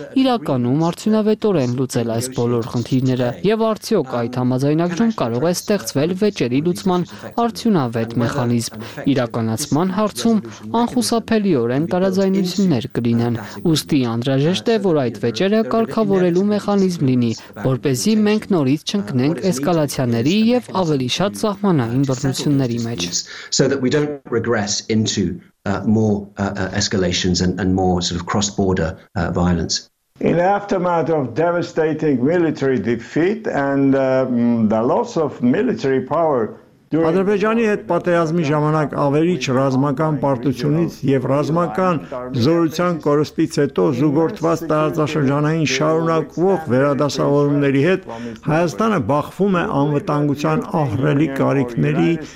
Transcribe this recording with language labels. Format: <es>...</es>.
<hy>իրականում արդյունավետորեն լուծել այս բոլոր խնդիրները, եւ արդյոք այդ համաձայնագրում կարող է ստեղծվել վեճերի լուծման արդյունավետ մեխանիզմ։ Իրականացման հարցում անխուսափելիորեն տարաձայնություններ կլինեն, ուստի անհրաժեշտ է, որ այդ վեճերը կարգավորելու մեխանիզմ լինի, որպեսզի մենք նորից չընկնենք էսկալացիաների և ավելի շատ սահմանային բռնությունների մեջ։</hy> <en>So that we don't regress into more escalations and more sort of cross-border violence. In the aftermath of devastating military defeat and the loss of military power,</en> <hy>Ադրբեջանի հետ պատերազմի ժամանակ ավերիչ ռազմական պարտությունից եւ ռազմական զորության կորստից հետո զուգորդված տարածաշրջանային շարունակվող վերադասավորումների հետ Հայաստանը բախվում է անվտանգության ահռելի կարիքների,</hy>